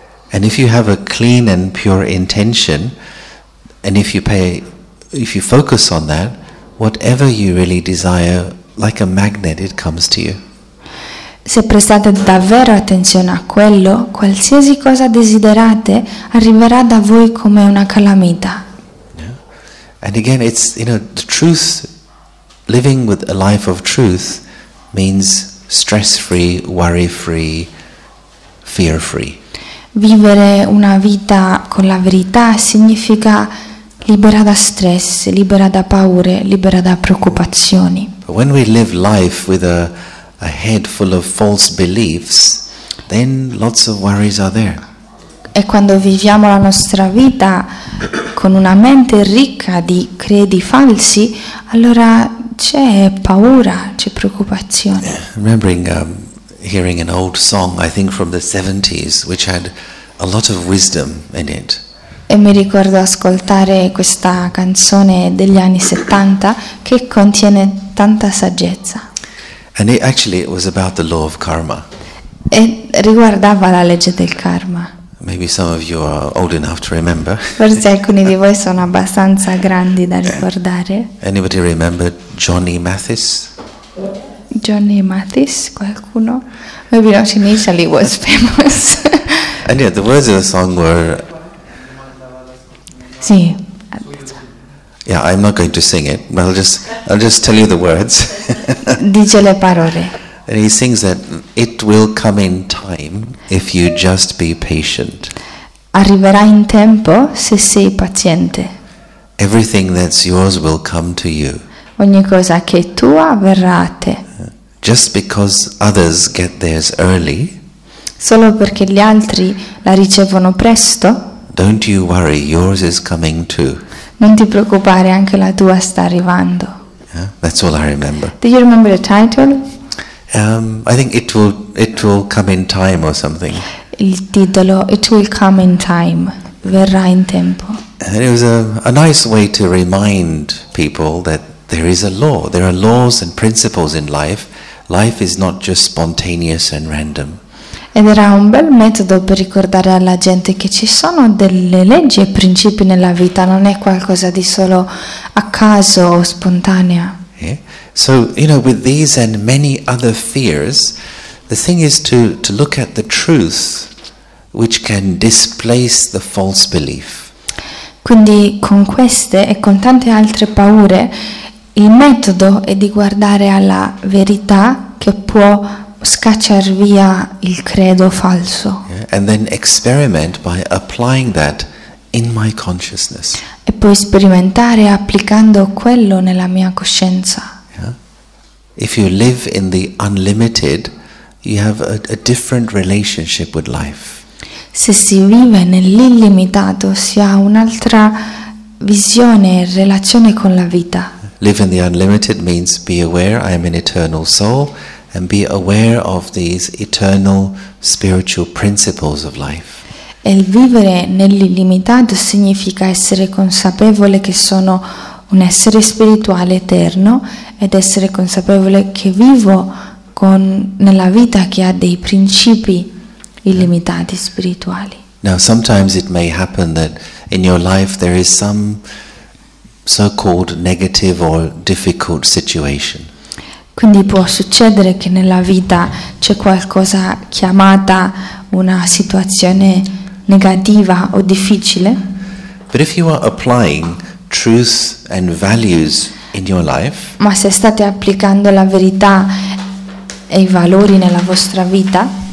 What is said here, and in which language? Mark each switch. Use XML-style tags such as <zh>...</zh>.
<en>And if you have a clean and pure intention, and if you focus on that, whatever you really desire, like a magnet, it comes to you.</en> <it>Se prestate davvero attenzione a quello, qualsiasi cosa desiderate arriverà da voi come una calamita.</it> <en>And again, it's, you know, the truth, living with a life of truth means stress-free, worry-free, fear-free.</en> <it>Vivere una vita con la verità significa libera da stress, libera da paure, libera da preoccupazioni.</it> <en>But when we live life with a head full of false beliefs, then lots of worries are there.</en> <it>E quando viviamo la nostra vita con una mente ricca di credi falsi, allora c'è paura, c'è preoccupazione.</it> <en>Yeah, remembering hearing an old song, I think from the 70s, which had a lot of wisdom in it.</en> <it>E mi ricordo ascoltare questa canzone degli anni 70 che contiene tanta saggezza.</it> <en>And it, actually it was about the law of karma.</en> <it>E riguardava la legge del karma.</it> <en>Maybe some of you are old enough to remember.</en> <it>Forse alcuni di voi sono abbastanza grandi da ricordare.</it> <en>Anybody remember Johnny Mathis? Johnny Mathis,</en> <it>qualcuno?</it> <en>Maybe not initially was famous. And yeah, the words of the song were.</en> <it>Sì.</it> <en>Yeah, I'm not going to sing it, but I'll just tell you the words.</en> <it>Dice le parole.</it> <en>And he sings that it will come in time if you just be patient.</en> <it>Arriverà in tempo se sei paziente.</it> <en>Everything that's yours will come to you.</en> <it>Ogni cosa che è tua verrà a te.</it> <en>Just because others get theirs early.</en> <it>Solo perché gli altri la ricevono presto.</it> <en>Don't you worry, yours is coming too.</en> <it>Non ti preoccupare, anche la tua sta arrivando.</it> <en>Yeah, that's all I remember. Do you remember the title? I think it will come in time or something.</en> <it>Il titolo</it> <en>it will come in time,</en> <it>verrà in tempo.</it> <en>And it was a nice way to remind people that there is a law. There are laws and principles in life. Life is not just spontaneous and random.</en> <it>Ed era un bel metodo per ricordare alla gente che ci sono delle leggi e principi nella vita. Non è qualcosa di solo a caso o spontanea.</it> <en>Yeah. So, you know, with these and many other fears, the thing is to look at the truth which can displace the false belief.</en> <it>Quindi con queste e con tante altre paure, il metodo è di guardare alla verità che può scacciar via il credo falso.</it> <en>Yeah, and then experiment by applying that in my consciousness.</en> <it>E poi sperimentare applicando quello nella mia coscienza.</it> <en>If you live in the unlimited, you have a different relationship with life.</en> <it>Se si vive nell'illimitato, si ha un'altra visione e relazione con la vita.</it> <en>Live in the unlimited means be aware I am an eternal soul and be aware of these eternal spiritual principles of life.</en> <it>E il vivere nell'illimitato significa essere consapevole che sono un essere spirituale eterno ed essere consapevole che vivo con nella vita che ha dei principi illimitati spirituali.</it> <en>Now sometimes it may happen that in your life there is some so-called negative or difficult situation.</en> <it>Quindi può succedere che nella vita c'è qualcosa chiamata una situazione negativa o difficile.</it> <en>But if you are applying truth and values in your life,</en> <it>ma se state applicando la verità e i valori nella vostra vita,</it>